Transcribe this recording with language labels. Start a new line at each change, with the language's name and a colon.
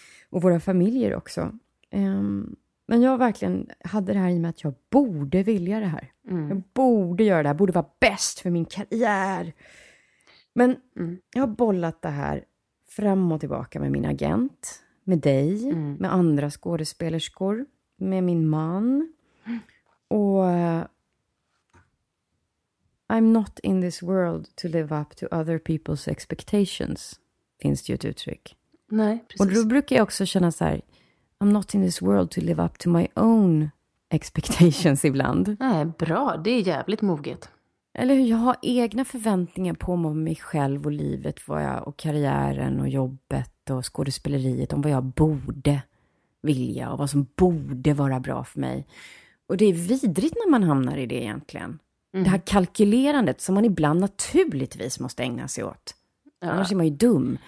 Swedish: Och våra familjer också. Men jag verkligen hade det här i mig att jag borde vilja det här. Mm. Jag borde göra det här. Borde vara bäst för min karriär. Men jag har bollat det här fram och tillbaka med min agent. Med dig. Mm. Med andra skådespelerskor. Med min man. Och
English: I'm not in this world to live up to other people's expectations.
Swedish: Finns det ju ett uttryck. Nej, precis. Och då brukar jag också känna så här.
English: I'm not in this world to live up to my own expectations
Swedish: ibland. Nej, bra. Det är jävligt moget. Eller hur? Jag har egna förväntningar på mig själv och livet. Vad jag, och karriären och jobbet och skådespeleriet. Om vad jag borde vilja och vad som borde vara bra för mig. Och det är vidrigt när man hamnar i det egentligen. Mm. Det här kalkylerandet som man ibland naturligtvis måste ägna sig åt. Ja. Annars är man ju dum.